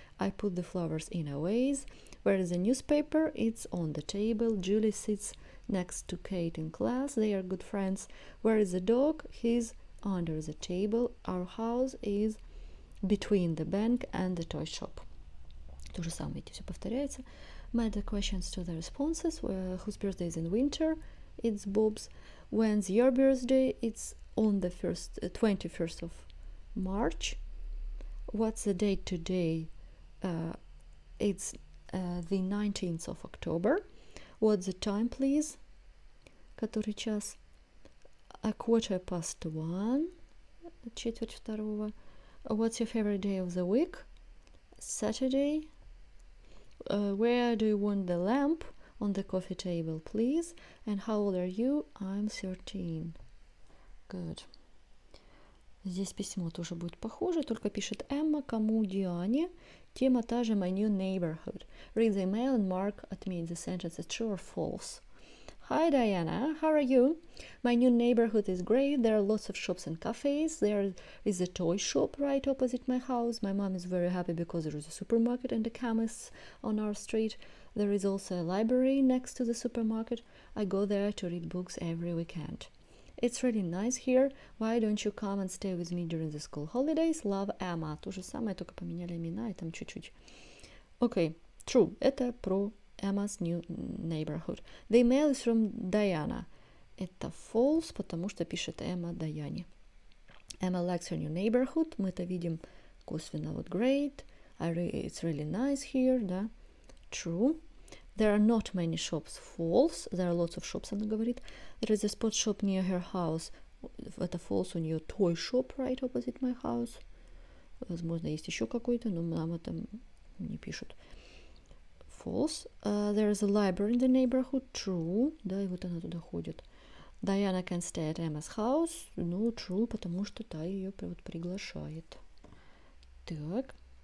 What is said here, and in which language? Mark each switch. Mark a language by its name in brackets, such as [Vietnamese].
[English] I put the flowers in a vase. Where is the newspaper? It's on the table. Julie sits next to Kate in class. They are good friends. Where is the dog? He's under the table. Our house is between the bank and the toy shop. [Russian] То же самое, видите, все повторяется. [English] Match the questions to the responses. Whose birthday is in winter? It's Bob's. When's your birthday? It's on the 21st of March. What's the date today? It's the 19th of October. What's the time, please? [Russian] Который час? [English] A quarter past one. [Russian] Четверть второго. [English] What's your favorite day of the week? Saturday. Where do you want the lamp? On the coffee table, please. And how old are you? I'm 13. Good. [Russian] Здесь письмо тоже будет похоже, только пишет Эмма, кому Диане. Тема та же, [English] my new neighborhood. Read the email and mark at me in the sentence, true or false. Hi, Diana. How are you? My new neighborhood is great. There are lots of shops and cafes. There is a toy shop right opposite my house. My mom is very happy because there is a supermarket and a chemist on our street. There is also a library next to the supermarket. I go there to read books every weekend. It's really nice here. Why don't you come and stay with me during the school holidays? Love, Emma. [Russian] То же самое, только поменяли имена и там чуть-чуть. [English] Okay, true. [Russian] Это про [English] Emma's new neighborhood. The email is from Diana. [Russian] Это [English] false, [Russian] потому что пишет [English] Emma Diane. Emma likes her new neighborhood. [Russian] Мы это видим косвенно. Вот [English] great. It's really nice here, да? True. There are not many shops. False. There are lots of shops, [Russian] она говорит. [English] There is a sports shop near her house. [Russian] Это [English] false. [Russian] У нее [English] toy shop right opposite my house. [Russian] Возможно, есть еще какой-то, но нам это не пишут. [English] False. There is a library in the neighborhood. True. [Russian] Да, и вот она туда ходит. [English] Diana can stay at Emma's house. [Russian] Ну, true, потому что та ее вот приглашает. Так.